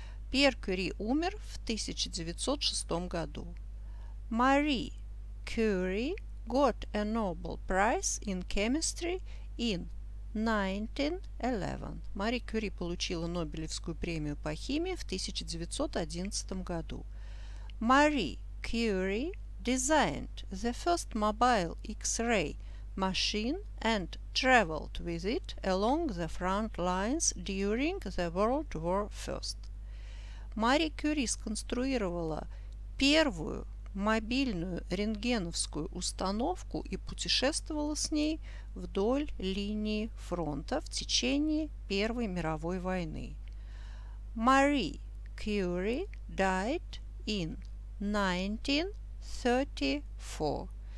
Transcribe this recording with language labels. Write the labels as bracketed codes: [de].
[ru] Пьер Кюри умер в 1906 году. Marie Curie [en] got a Nobel Prize in Chemistry in 1911. [ru] Мари Кюри получила Нобелевскую премию по химии в 1911 году. [en] Мари Кюри designed the first mobile X-ray machine and traveled with it along the front lines during the World War I. [ru] Мари Кюри сконструировала первую мобильную рентгеновскую установку и путешествовала с ней вдоль линии фронта в течение Первой мировой войны. [en] Мари Кюри died in 1934.